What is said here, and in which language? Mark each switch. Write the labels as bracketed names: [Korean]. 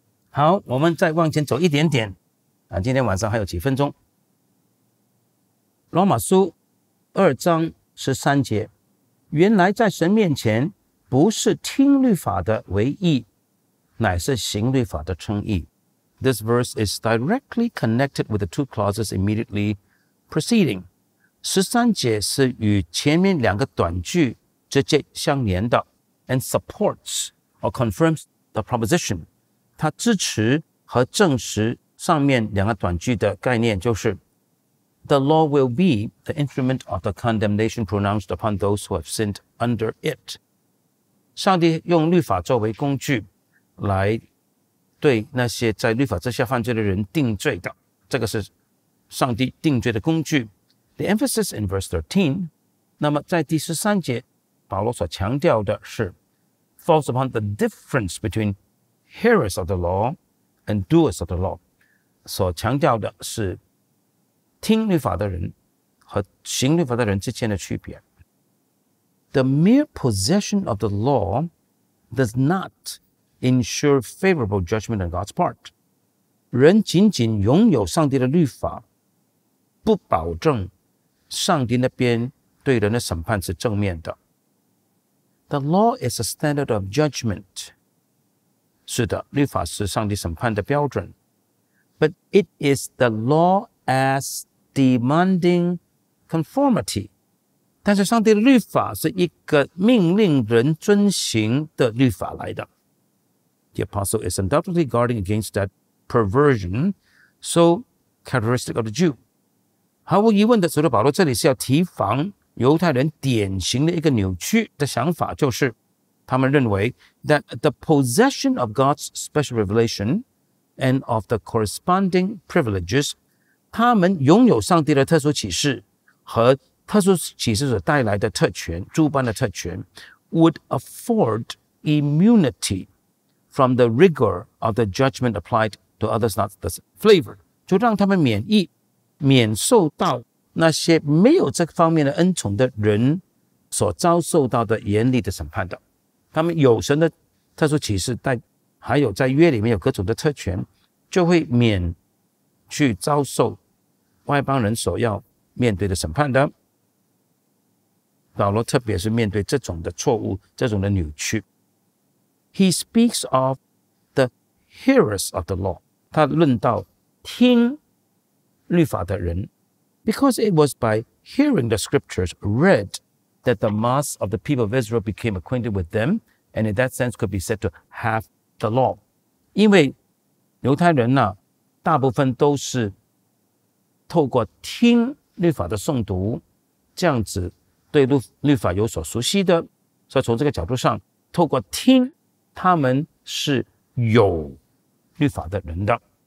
[Chinese] 好，我们再往前走一点点啊，今天晚上还有几分钟。罗马书2:13，原来在神面前不是听律法的为义，乃是行律法的称义。 [English] This verse is directly connected with the two clauses immediately preceding. [Chinese] 13节是与前面两个短句直接相连的 [English] and supports or confirms the proposition. [Chinese] 它支持和证实上面两个短句的概念，就是 [English] The law will be the instrument of the condemnation pronounced upon those who have sinned under it. [Chinese] 上帝用律法作为工具来对那些在律法之下犯罪的人定罪的，这个是上帝定罪的工具。 [English] The emphasis in verse 13, [Chinese] 那么在第13节保罗所强调的是 [English] falls upon the difference between hearers of the law and doers of the law, [Chinese] 所强调的是听律法的人和行律法的人之间的区别。 [English] The mere possession of the law does notensure favorable judgment on God's part. [Chinese] 人仅仅拥有上帝的律法，不保证上帝那边对人的审判是正面的。 [English] The law is a standard of judgment. [Chinese] 是的，律法是上帝审判的标准。 [English] But it is the law as demanding conformity. [Chinese] 但是上帝的律法是一个命令人遵行的律法来的。 [English] The apostle is undoubtedly guarding against that perversion so characteristic of the Jew. [Chinese] 毫无疑问的，使徒保罗这里是要提防犹太人典型的一个扭曲的想法，就是他们认为 [English] that the possession of God's special revelation and of the corresponding privileges, [Chinese] 他们拥有上帝的特殊启示和特殊启示所带来的特权，诸般的特权 [English] would afford immunity. From the rigor of the judgment applied to others not the flavor, [Chinese] 就让他们免疫，免受到那些没有这方面的恩宠的人所遭受到的严厉的审判的。他们有神的特殊启示，但还有在约里面有各种的特权，就会免去遭受外邦人所要面对的审判的。保罗特别是面对这种的错误，这种的扭曲。 [English] He speaks of the hearers of the law. [Chinese] 他论到听律法的人。 [English] Because it was by hearing the scriptures read that the mass of the people of Israel became acquainted with them, and in that sense could be said to have the law. [Chinese] 因为犹太人呢，大部分都是透过听律法的诵读，这样子对律法有所熟悉的。所以从这个角度上，透过听他们是有律法的人的。